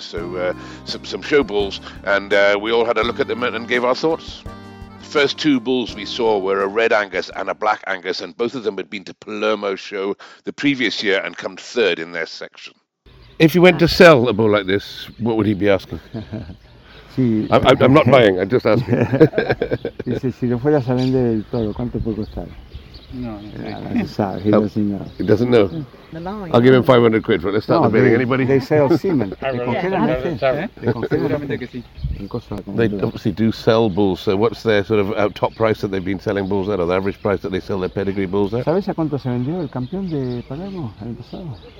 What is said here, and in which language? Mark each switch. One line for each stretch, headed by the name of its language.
English: So some show bulls, and we all had a look at them and gave our thoughts. The first two bulls we saw were a red Angus and a black Angus, and both of them had been to Palermo's show the previous year and come third in their section. If you went to sell a bull like this, what would he be asking? I'm not buying, I'm just asking.
Spanish: Dice, si lo fueras a vender el toro, ¿cuánto puede costar?
English: He doesn't know. I'll give him 500 quid for it. Let's start debating anybody. They sell semen. They obviously do sell bulls. So what's their sort of top price that they've been selling bulls at, or the average price that they sell their pedigree bulls at?
Spanish: ¿Sabes a cuánto se vendió el campeón de Palermo el pasado?